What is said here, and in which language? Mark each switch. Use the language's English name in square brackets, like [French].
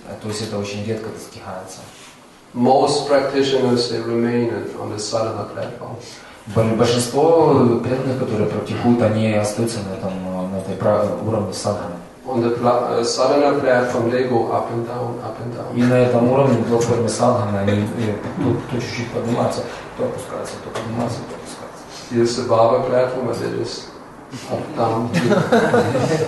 [Russian] То есть это очень редко достигается. [English] Most practitioners they remain on the sadhana platform. [Russian] Большинство преданных, которые практикуют, они остаются на этом на этой уровне садханы. [English] On the sadhana platform they go up and down, up and down. [Russian] И на этом уровне платформы садханы они то чуть-чуть поднимаются. То опускается, то поднимается, то опускается. [English] Here's the Baba platform, and it is up, down,